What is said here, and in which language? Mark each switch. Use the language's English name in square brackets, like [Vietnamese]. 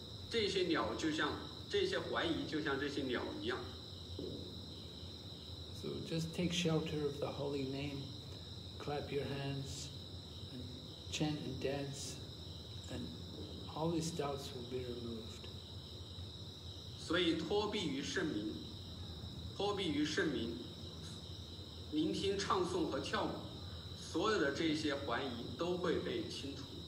[Chinese] 这些鸟就像这些怀疑就像这些鸟一样。 [English] So just take shelter of the holy name, clap your hands, and chant and dance, and all these doubts will be removed. [Chinese] 所以托庇于圣名，托庇于圣名，聆听唱诵和跳舞，所有的这些怀疑都会被清除。